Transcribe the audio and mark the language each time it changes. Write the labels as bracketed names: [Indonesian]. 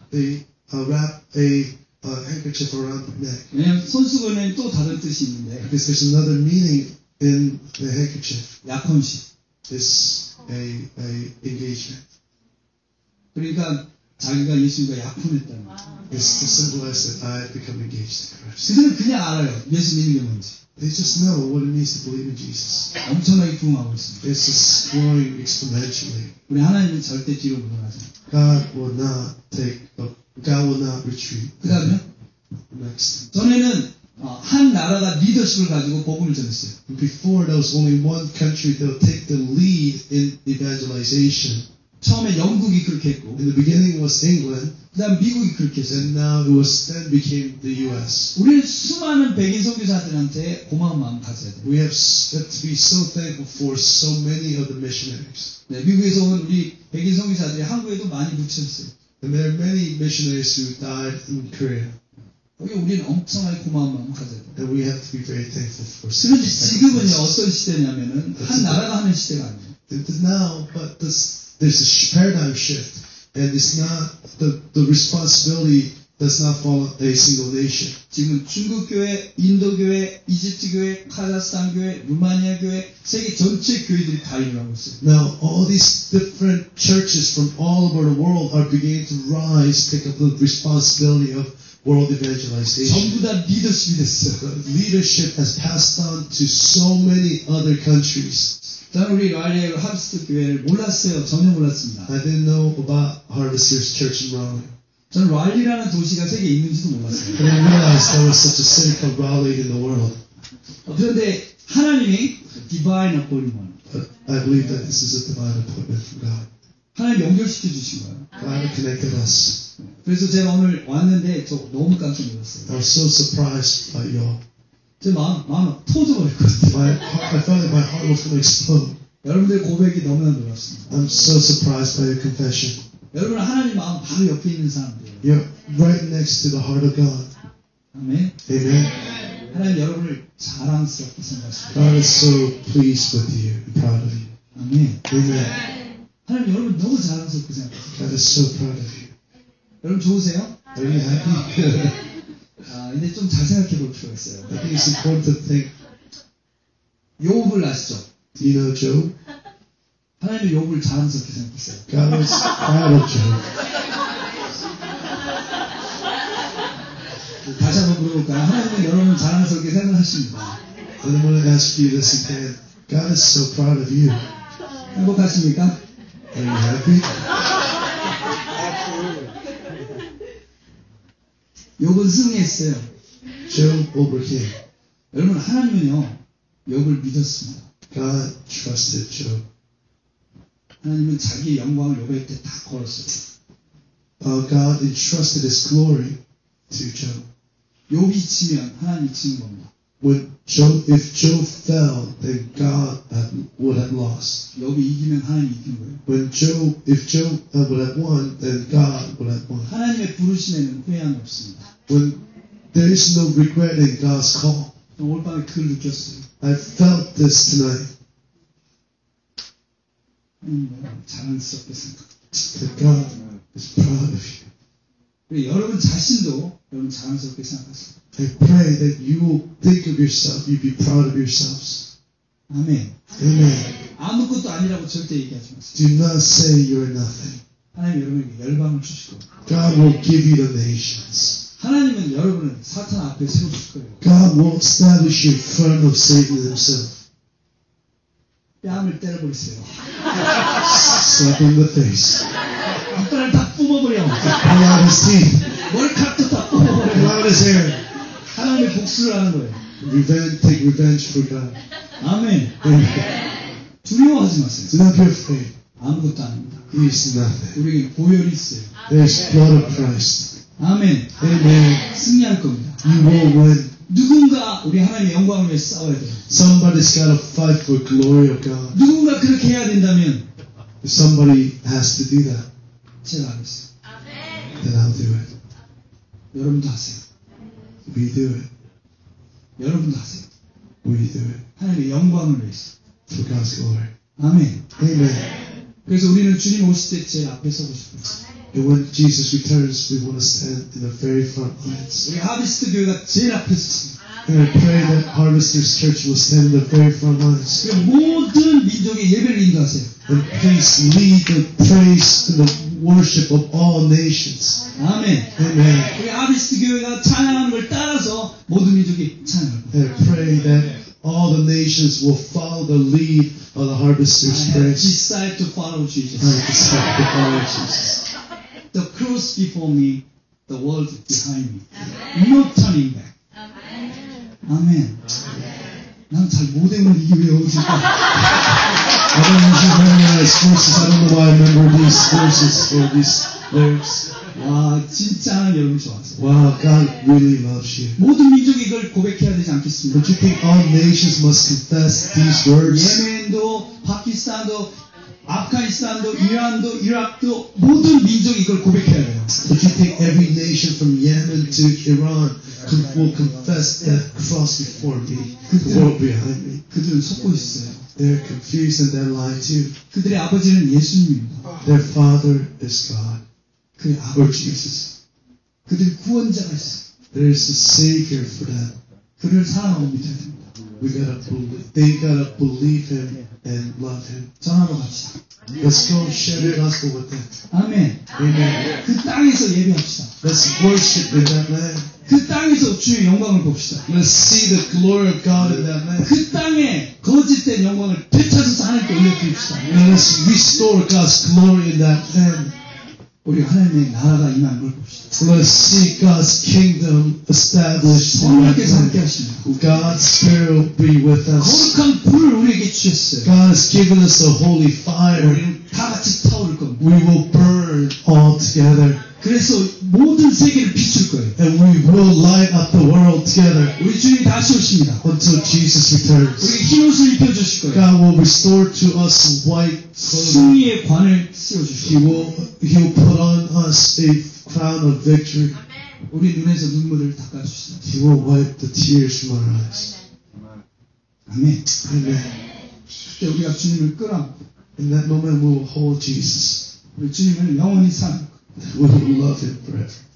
[English] They wrap a handkerchief around the neck. [Korean] 왜냐면 손수건에는 또 다른 뜻이 있는데. [English] Because there's another meaning in the handkerchief. [Korean] 약혼식. [English] It's a engagement. [Korean] 그러니까 자기가 예수님과 약혼했다는 거예요. [English] It's to symbolize that I have become engaged to Christ. [Korean] 그들은 그냥 알아요. 예수님이 뭔지. [English] They just know what it means to believe in Jesus. [Korean] 엄청나게 부흥하고 있습니다. [English] This is growing exponentially. [Korean] 우리 하나님은 절대 뒤로 물러나지. [English] God will not take up. God will not retreat. [Korean] 그 다음에? [English] Next. [Korean] 전에는 한 나라가 리더십을 가지고 복음을 전했어요. [English] Before there was only one country that would take the lead in evangelization. [Korean] 처음에 영국이 그렇게 했고. [English] In the beginning was England. [Korean] 그다음 미국이 그렇게 했어요. [English] And now it was then became the U.S. [Korean] 우리는 수많은 백인 선교사들한테 고마운 마음 가져야 돼. [English] We have to be so thankful for so many of the missionaries. [Korean] 네, 미국에서 온 우리 백인 선교사들이 한국에도 많이 묻혔어요. [English] And there are many missionaries who died in Korea. [Korean] 거기 우리는 엄청나게 고마운 마음 가져야 돼. [English] And we have to be very thankful for. [Korean] 그런데 지금은 어떤 시대냐면은 한 나라가 하는 시대가 아니에요. [English] It's now, but there's a paradigm shift. And it's not the responsibility does not fall on a single nation. [Korean] 지금 중국 교회, 인도 교회, 이집트 교회, 카자흐스탄 교회, 루마니아 교회, 세계 전체 교회들이 다 일어나고 있어요. [English] Now all these different churches from all over the world are beginning to rise, take up the responsibility of world evangelization. [Korean] 전부 다 리더십이 됐어요. [English] Leadership has passed on to so many other countries. [Korean] 저는 우리 라리엘 하비스트 교회를 몰랐어요. 전혀 몰랐습니다. [English] I didn't know about Harvester's Church in Raleigh. [Korean] 저는 라리라는 도시가 세계에 있는지도 몰랐어요. [English] I didn't realize there was such a city called Raleigh in the world. [Korean] 그런데 하나님이 [English] divine appointment. I believe that this is a divine appointment from God. [Korean] 하나님 연결시켜 주신 거예요. [English] God connected us. [Korean] 그래서 제가 오늘 왔는데 저 너무 깜짝 놀랐어요. [English] I was so surprised by y'all. [Korean] 제 마음은 터져버릴 것 같아요. [English] I felt that my heart was going to explode. [Korean] 여러분들의 고백이 너무나 놀랐습니다. [English] I'm so surprised by your confession. [Korean] 여러분 하나님 마음 바로 옆에 있는 사람들. [English] You're right next to the heart of God. [Korean] 아멘. [English] Amen. [Korean] 하나님 여러분을 자랑스럽게 생각하십니다. [English] God is so pleased with you and proud of you. [Korean] 아멘. [English] Amen. [Korean] 하나님 여러분 너무 자랑스럽게 생각하십니다. [English] God is so proud of you. [Korean] 여러분 좋으세요? [English] Are you happy? [Korean] 이제 좀 잘 생각해 볼 필요가 있어요. [English] I think it's important to think. [Korean] 욥을 아시죠? [English] Do you know Job? [Korean] 하나님도 욥을 자랑스럽게 생각했어요. [English] God was proud of Job. [Korean] 다시 한번 물어볼까요? 하나님도 여러분 자랑스럽게 생각하십니다. [English] I want to ask you this again. God is so proud of you. [Korean] 행복하십니까? [English] Are you happy? [Korean] 욥은 승리했어요. [English] Job overcame. [Korean] 여러분 하나님은요 욥을 믿었습니다. [English] God trusted Job. [Korean] 하나님은 자기 영광을 욥에게 다 걸었어요. [English] God entrusted His glory to Job. [Korean] 욥이 지면 하나님이 지는 겁니다. [English] If Job fell, then God would have lost. [Korean] 욥이 이기면 하나님이 이기는 거예요. [English] If Job would have won, then God would have won. [Korean] 하나님의 부르심에는 후회함이 없습니다. [English] When there is no regret in God's call. [Korean] 오늘 밤에 그걸 느꼈어요. [English] I felt this tonight. [Korean] 자랑스럽게 생각. [English] That God is proud of you. [Korean] 그리고 여러분 자신도 여러분 자랑스럽게 생각하세요. [English] I pray that you will think of yourself, you'll be proud of yourselves. [Korean] 아멘. [English] Amen. [Korean] 아무것도 아니라고 절대 얘기하지 마세요. [English] Do not say you're nothing. [Korean] 하나님 여러분에게 열방을 주실 겁니다. [English] God will give you the nations. [Korean] 하나님은 여러분을 사탄 앞에 세우실 거예요. [English] God will establish you in front of Satan himself. [Korean] 뺨을 때려버리세요. [English] Slap in the face. [Korean] 앞뺨을 다 뿜어버려. [English] Pull out his teeth. [Korean] 머리카락도 다 뿜어버려. [English] Pull out his hair. [Korean] 하나님의 복수를 하는 거예요. [English] Revenge, take revenge for God. [Korean] 아멘. 두려워하지 마세요. [English] Do not be afraid. [Korean] 아무것도 아닙니다. [English] He is nothing. [Korean] 우리에게 보혈이 있어요. [English] There is blood of Christ. [Korean] 아멘. [English] Amen. [Korean] 승리할 겁니다. [English] You will win. [Korean] 누군가 우리 하나님의 영광을 위해 싸워야 돼요. [English] Somebody's got to fight for the glory of God. [Korean] 누군가 그렇게 해야 된다면. [English] Somebody has to do that. [Korean] 제가 하겠어요. [English] Amen. Then I'll do it. [Korean] 여러분도 하세요. [English] We do it. [Korean] 여러분도 하세요. [English] We do it. [Korean] 하나님의 영광을 위해서. [English] For God's glory. [Korean] 아멘. [English] Amen. [Korean] 그래서 우리는 주님 오실 때 제 앞에 서고 싶습니다. [English] And when Jesus returns, we want to stand in the very front lines. [Korean] 우리 하비스트 교회가 제일 앞에 서십니다. [English] And I pray that Harvester's Church will stand in the very front lines. [Korean] 모든 민족의 예배를 인도하세요. [English] And please lead the praise and the worship of all nations. [Korean] 아멘. [English] Amen. [Korean] 우리 하비스트 교회가 찬양하는 걸 따라서 모든 민족이 찬양합니다. [English] And I pray that all the nations will follow the lead of the Harvester's Church. I decide to follow Jesus. I decide to follow Jesus. The cross before me, the world behind me. No turning back. [Korean] 아멘. 난 잘 못해요. 이게 왜 어렵지? [English] I don't usually memorize verses. I don't know why I remember these verses or these lyrics. [Korean] 와, 진짜 여러분 좋았어. [English] Wow, God really loves you. [Korean] 모든 민족이 이걸 고백해야 되지 않겠습니까? [English] Don't you think all nations must confess these words? [Korean] 예멘도, 파키스탄도, 아프가니스탄도, 이란도, 이라크도 모든 민족이 이걸 고백해야 돼요. [English] Don't you think every nation from Yemen to Iran will confess the cross before me, the world behind me? [Korean] 그들은 속고 있어요. [English] They're confused and they're lying too. [Korean] 그들의 아버지는 예수님입니다. [English] Their father is God. [Korean] 그의 아버지 예수. 그들 구원자가 있어요. [English] There is a savior for them. [Korean] 그를 사랑하고 믿어야 됩니다. [English] We gotta believe. They gotta believe him and love him. [Korean] 전하러 갑시다. [English] Let's go share the gospel with them. [Korean] 아멘. [English] Amen. [Korean] 그 땅에서 예배합시다. [English] Let's worship in that land. [Korean] 그 땅에서 주의 영광을 봅시다. [English] Let's see the glory of God in that land. [Korean] 그 땅에 거짓된 영광을 되찾아서 하나님께 올려드립시다. [English] Let's restore God's glory in that land. [Korean] 우리 하나님의 나라가 임한 걸 봅시다. [English] Let's see God's kingdom established. [Korean] 성령께서 함께 하십니다. [English] God's Spirit will be with us. [Korean] 거룩한 불을 우리에게 주셨어요. [English] God has given us a holy fire. [Korean] 우리는 다 같이 타오를 겁니다. [English] We will burn all together. [Korean] 그래서 모든 세계를 비출 거예요. [English] And we will light up the world together. [Korean] 우리 주님 다시 오십니다. [English] Until Jesus returns. [Korean] 우리 흰 옷을 입혀주실 거예요. [English] God will restore to us white clothing. [Korean] 승리의 관을 씌워주실 거예요. [English] He will put on us a crown of victory. [Korean] 우리 눈에서 눈물을 닦아주십니다. [English] He will wipe the tears from our eyes. [Korean] 아멘. 아멘. 그때 우리가 주님을 끌어. [English] In that moment we will hold Jesus. [Korean] 우리 주님은 영원히 산. [English] We will love him forever.